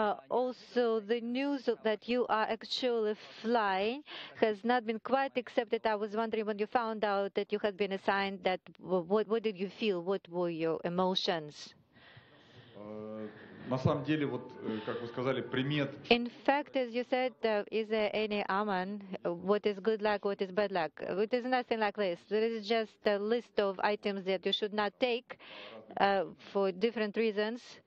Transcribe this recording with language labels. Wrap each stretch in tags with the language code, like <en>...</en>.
<en>Also, the news that you are actually flying has not been quite accepted. I was wondering when you found out that you had been assigned that, what did you feel? What were your emotions?</en> <ru>На самом деле, вот, как вы сказали, примет.</ru> <en>In fact, as you said, is there any omen? What is good luck? What is bad luck? It is nothing like this. There is just a list of items that you should not take for different reasons.</en>